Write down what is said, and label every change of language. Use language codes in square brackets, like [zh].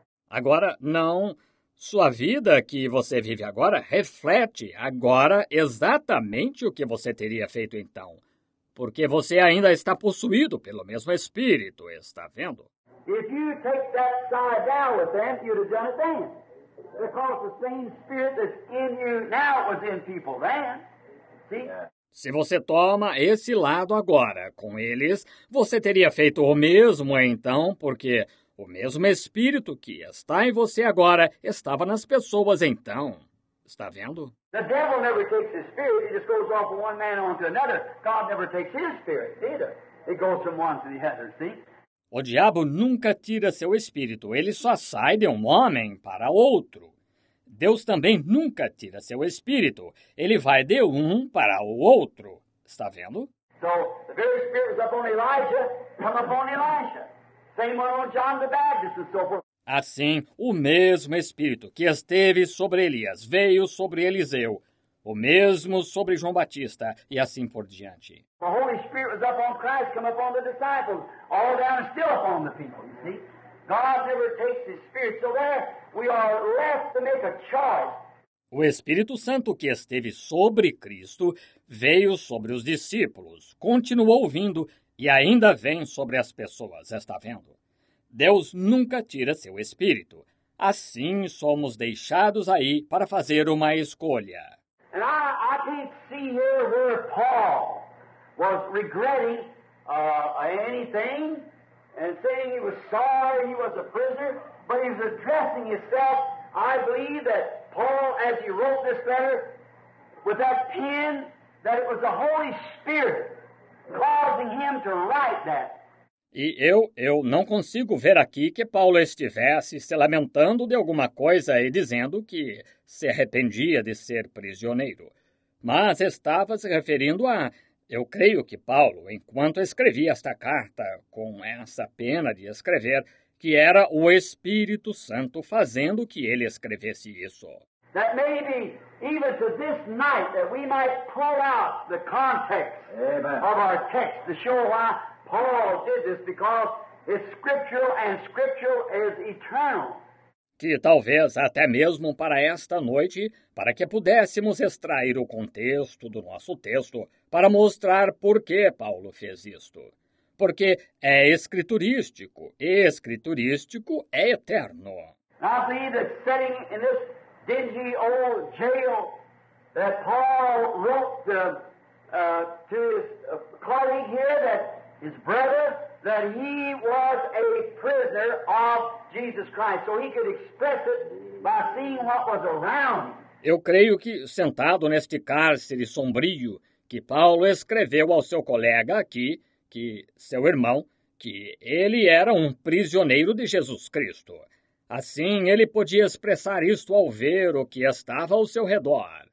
[pt] Agora, não. Sua vida que você vive agora reflete agora exatamente o que você teria feito então. Porque você ainda está possuído pelo mesmo Espírito, está vendo? [en] If you take that side down with them, you'd have done it then. Because the same Spirit that's in you now was in people then. See? [pt] Se você toma esse lado agora com eles, você teria feito o mesmo então, porque o mesmo Espírito que está em você agora estava nas pessoas então. Está vendo? [en] The devil never takes his spirit. He just goes off from one man onto another. God never takes his spirit either. It goes from one to the other, see? [pt] O diabo nunca tira seu espírito. Ele só sai de um homem para outro. Deus também nunca tira seu espírito. Ele vai de um para o outro. Está vendo? [en] So, the very spirit was upon Elijah, come upon Elijah. Same one on John the Baptist and so forth. [pt] Assim, o mesmo Espírito que esteve sobre Elias veio sobre Eliseu, o mesmo sobre João Batista, e assim por diante. [en] The Holy Spirit was up on Christ, come upon the disciples, all down and still upon the people, you see? God never takes his Spirit, so there we are left to make a choice. [pt] O Espírito Santo que esteve sobre Cristo veio sobre os discípulos, continuou vindo e ainda vem sobre as pessoas, está vendo? Deus nunca tira seu espírito. Assim somos deixados aí para fazer uma escolha. [en] I can't see here where Paul was regretting anything and saying he was sorry he was a prisoner, but he was addressing himself. I believe that Paul, as he wrote this letter, with that pen, that it was the Holy Spirit causing him to write that. [pt] E eu não consigo ver aqui que Paulo estivesse se lamentando de alguma coisa e dizendo que se arrependia de ser prisioneiro. Mas estava se referindo a, eu creio que Paulo, enquanto escrevia esta carta com essa pena de escrever, que era o Espírito Santo fazendo que ele escrevesse isso. [en] That maybe even to this night that we might pull out the context. Amen. Of our text to show why Paul did this, because it's scriptural and scriptural is eternal. [pt] Que talvez até mesmo para esta noite, para que pudéssemos extrair o contexto do nosso texto, para mostrar por que Paulo fez isto. Porque é escriturístico, e escriturístico é eterno. [en] I believe that sitting in this dingy old jail that Paul wrote to his colleague here, that his brother, that he was a prisoner of Jesus Christ. So he could express it by seeing what was around him. [pt] Eu creio que, sentado neste cárcere sombrio, que Paulo escreveu ao seu colega aqui, que seu irmão, que ele era um prisioneiro de Jesus Cristo. Assim, ele podia expressar isto ao ver o que estava ao seu redor.